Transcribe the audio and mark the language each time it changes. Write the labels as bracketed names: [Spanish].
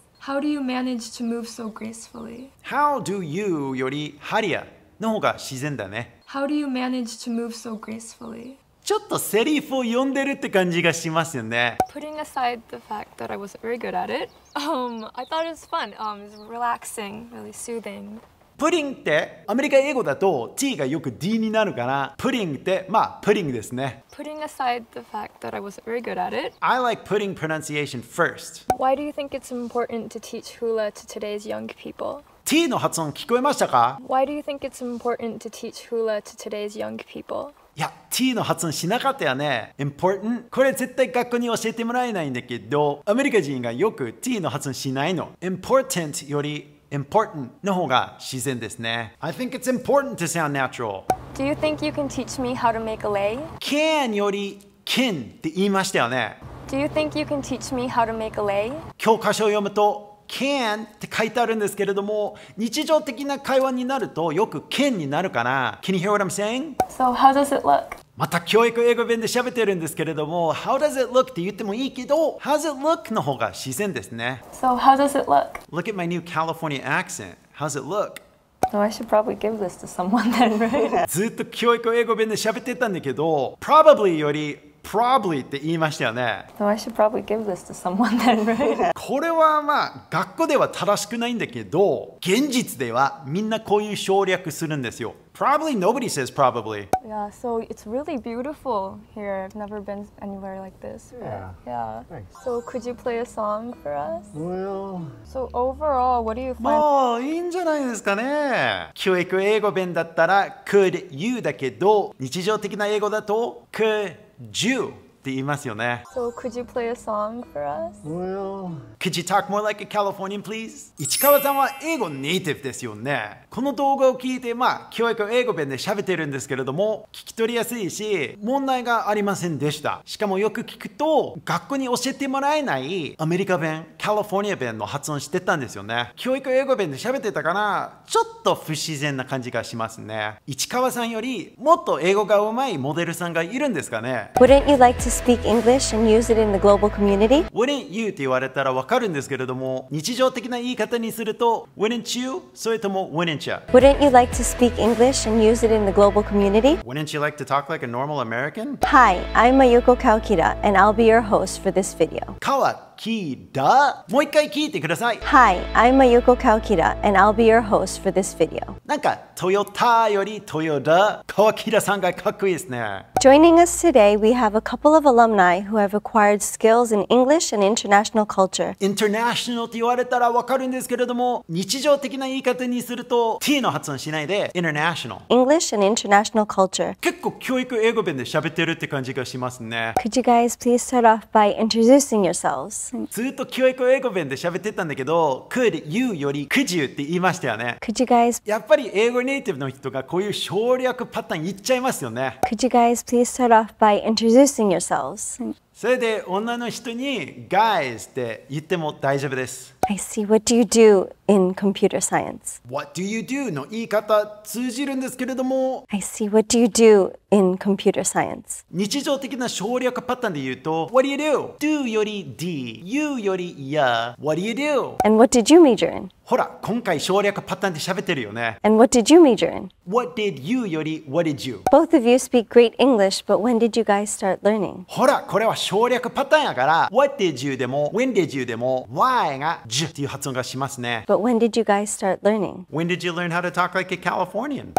[English] How do you manage to move so gracefully? How do you [Japanese] より [English] how do you? [Japanese] の方が自然だね。 [English] How do you manage to move so gracefully? [Japanese] ちょっとセリフを読んでるって感じがしますよね。 [English] Putting aside the fact that I wasn't very good at it, I thought it was fun. It was relaxing, really soothing. [Japanese] Pudding ってアメリカ英語だと T がよく D になるから、Pudding ってまあ Pudding ですね。 [English] Putting aside the fact that I wasn't very good at it, I like putting pronunciation first. Why do you think it's important to teach hula to today's young people? [Japanese] T の発音聞こえましたか? [English] Why do you think it's important to teach hula to today's young people? [Japanese] いや、T の発音しなかったよね。 [English] Important? [Japanese] これ絶対学校に教えてもらえないんだけど、アメリカ人がよく T の発音しないの。 Important より important の方が自然ですね。 [English] I think it's important to sound natural. Do you think you can teach me how to make a lei? [Japanese] Can より金って言いましたよね。 [English] Do you think you can teach me how to make a lei? [Japanese] 教科書を読むと can って書いてあるんですけれども、日常的な会話になるとよく can になるかな。 [English] Can you hear what I'm saying? So how does it look? [Japanese] また教育英語弁で喋ってるんですけれども、 [English] How does it look? [Japanese] って言ってもいいけど、 How does it look? の方が自然ですね。 [English] So how does it look? Look at my new California accent. How's it look? So I should probably give this to someone then, right? [Japanese] ずっと教育英語弁で喋ってたんだけど、 probably より probably って言いましたよね。 [English] So I should probably give this to someone then, right? [Japanese] これはまあ学校では正しくないんだけど、現実ではみんなこういう省略するんですよ。 [English] Probably nobody says probably. Yeah, so it's really beautiful here. I've never been anywhere like this. But, yeah. Yeah. Thanks. So could you play a song for us? Well... So overall, what do you find? [Japanese] まあ、いいんじゃないですかね。教育英語弁だったら [English] could you [Japanese] だけど、日常的な英語だと could you って言いますよね。 [English] So could you play a song for us? Well... Could you talk more like a Californian, please? [Japanese] 市川さんは英語ネイティブですよね。この動画を聞いて、まあ、教育英語弁で喋ってるんですけれども、聞き取りやすいし、問題がありませんでした。しかもよく聞くと、学校に教えてもらえないアメリカ弁、カリフォルニア弁の発音してたんですよね。教育英語弁で喋ってたから、ちょっと不自然な感じがしますね。市川さんより、もっと英語が上手いモデルさんがいるんですかね。 [English] Wouldn't you like to speak English and use it in the global community? [Japanese] Wouldn't you って言われたら分かるんですけれども、日常的な言い方にすると、 [English] Wouldn't you? [Japanese] それとも [English] Wouldn't you? Wouldn't you like to speak English and use it in the global community? Wouldn't you like to talk like a normal American? Hi, I'm Mayuko Kawakita, and I'll be your host for this video. Kawakita? [Japanese] もう一回聞いてください。 [English] Hi, I'm Mayuko Kawakita, and I'll be your host for this video. [Japanese] なんか、トヨタよりトヨタ。 Kawakita さんがかっこいいですね。 [English] Joining us today, we have a couple of alumni who have acquired skills in English and international culture. [Japanese] International って言われたらわかるんですけれども、日常的な言い方にすると、T の発音しないで International. [English] English and international culture. [Japanese] 結構教育英語弁で喋ってるって感じがしますね。 [English] Could you guys please start off by introducing yourselves? [Japanese] ずっと教育英語弁で喋ってたんだけど、 [English] Could you [Japanese] より Could you って言いましたよね。 [English] Could you guys... [Japanese] やっぱり英語ネイティブの人がこういう省略パターン言っちゃいますよね。 [English] Could you guys please start off by introducing yourselves? [Japanese] それで女の人に Guys って言っても大丈夫です。 [English] I see. What do you do in computer science? What do you do? [Japanese] の言い方通じるんですけれども。 [English] I see. What do you do in computer science? [Japanese] 日常的な省略パターンで言うと、 [English] What do you do? [Japanese] Do より D, You より Ya. What do you do? [English] And what did you major in? [Japanese] ほら、今回省略パターンで喋ってるよね。 [English] And what did you major in? What did you [Japanese] より What did you? [English] Both of you speak great English, but when did you guys start learning? [Japanese] ほら、これは省略パターンやから、 [English] What did you [Japanese] でも、 [English] When did you [Japanese] でも、Why が、ジュっていう発音がしますね。 [English] But when did you guys start learning? When did you learn how to talk like a Californian?